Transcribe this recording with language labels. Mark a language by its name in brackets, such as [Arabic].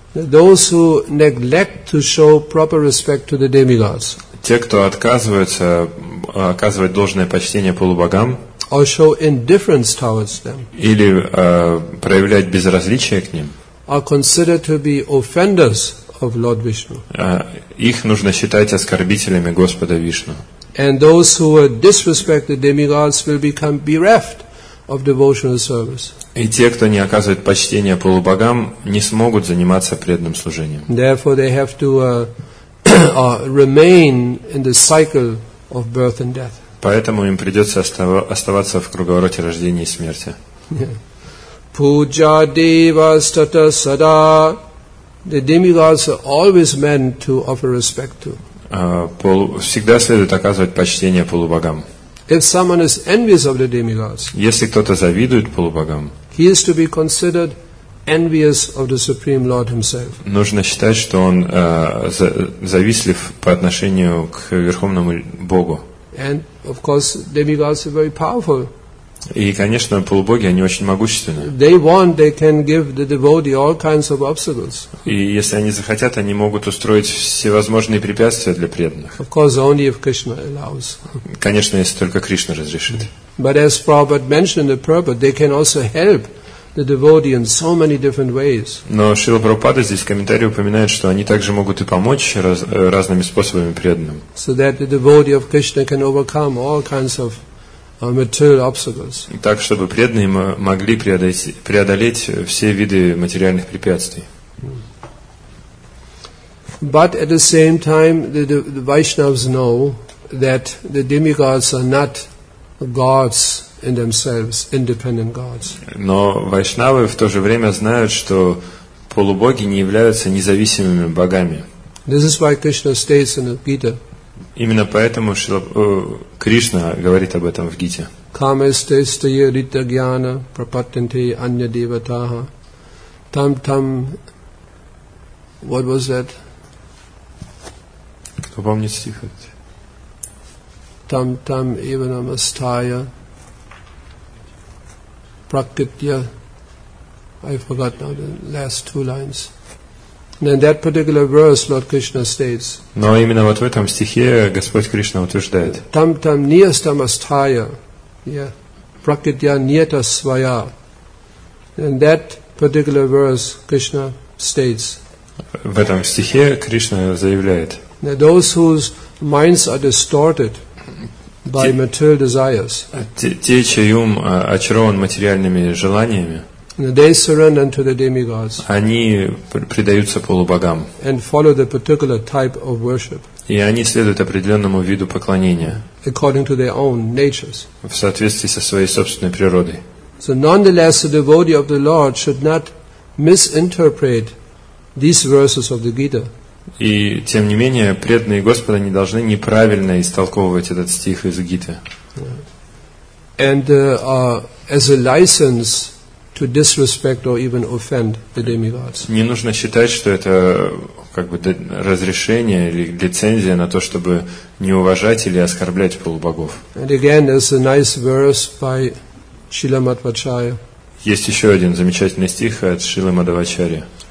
[English] Those who neglect to show proper respect to the demigods. [Russian] Те, кто отказываются оказывать должное почтение полубогам. [English] Or show indifference towards them. [Russian] Или проявлять безразличие к ним. [English] Are considered to be offenders of Lord Vishnu. [Russian] Их нужно считать оскорбителями Господа Вишну. [English] And those who disrespect the demigods will become bereft of devotional service. [Russian] И те, кто не оказывает почтения полубогам, не смогут заниматься преданным служением. [English] Therefore, they have to remain in the cycle of birth and death. [Russian] Поэтому им придется оставаться в круговороте рождения и смерти. [Sanskrit] Puja devas tata sada. [English] The demigods are always meant to offer respect to. [Russian] Всегда следует оказывать почтение полубогам. [English] If someone is envious of the demigods, [Russian] если кто-то завидует полубогам, [English] he is to be considered envious of the Supreme Lord himself. [Russian] Нужно считать, что он завистлив по отношению к Верховному Богу. [English] And of course, demigods are very powerful. [Russian] И, конечно, полубоги, они очень могущественны. [English] They want, they can give the devotee all kinds of obstacles. [Russian] И если они захотят, они могут устроить всевозможные препятствия для преданных. [English] Of course, only if Krishna allows. [Russian] Конечно, если только Кришна разрешит. [English] But as Prabhupada mentioned in the purport, they can also help the devotee in so many different ways. [Russian] Но Шрила Прабхупада здесь в комментарии упоминает, что они также могут и помочь разными способами преданным. [English] So that the devotee of Krishna can overcome all kinds of material obstacles. [Russian] Так, чтобы преданные могли преодолеть все виды материальных препятствий. [English] But at the same time, the Vaishnavas know that the demigods are not gods in themselves, independent gods. [Russian] Но вайшнавы в то же время знают, что полубоги не являются независимыми богами. [English] This is why Krishna states in the Gita. [Russian] Именно поэтому Кришна говорит об этом в Гите. [Sanskrit] Камастестая рита гьяна прапаттанте анья деватаха там там. [English] What was that? [Russian] Кто помнит стих? [Sanskrit] Там там ива намастая пракритья. [English] I forgot now the last two lines. And in that particular verse, Lord Krishna states. [Russian] Но именно вот в этом стихе Господь Кришна утверждает. [Sanskrit] Там там ниастамастая, yeah, пракритья ниетасвая. [English] In that particular verse, Krishna states. [Russian] В этом стихе Кришна заявляет. [English] That those whose minds are distorted by material desires. [Russian] Те, чей ум очарован материальными желаниями. [English] They surrender unto the demigods. [Russian] Они предаются полубогам. [English] And follow the particular type of worship. [Russian] И они следуют определенному виду поклонения. [English] According to their own natures. [Russian] В соответствии со своей собственной природой. [English] So nonetheless, the devotee of the Lord should not misinterpret these verses of the Gita. [Russian] И тем не менее, преданные Господа не должны неправильно истолковывать этот стих из Гиты. [English] And as a license to disrespect or even offend the demigods. [Russian] Не нужно считать, что это как бы разрешение или лицензия на то, чтобы не уважать или оскорблять полубогов. [English] And again, there's a nice verse by Śrīla Madhvāchārya. [Russian] Есть еще один замечательный стих от Шрилы Мадхвачарьи.